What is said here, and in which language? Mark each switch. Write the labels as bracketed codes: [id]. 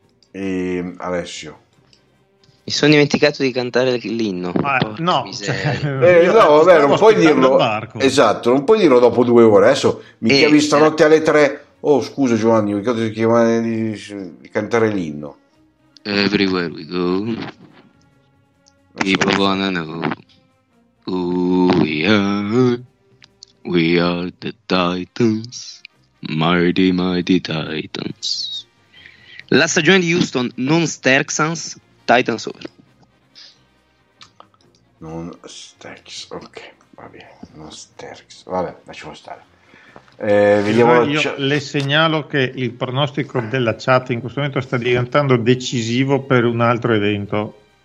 [it] E Alessio. Mi sono dimenticato di cantare l'inno. No, no, vabbè, non puoi dirlo. Esatto, non puoi dirlo dopo 2 ore. Adesso mi chiami stanotte alle 3. Oh, scusa Giovanni, mi ricordo di cantare l'inno. [en] Everywhere we go, people wanna know who we are. We are the Titans, mighty, mighty Titans. [it] La stagione di Houston, non Sterksans, Titans over. Non Sterks, ok, va bene, non Sterks, vabbè, lasciamo stare. Vediamo le segnalo che il pronostico della chat in questo momento sta diventando decisivo per un altro evento.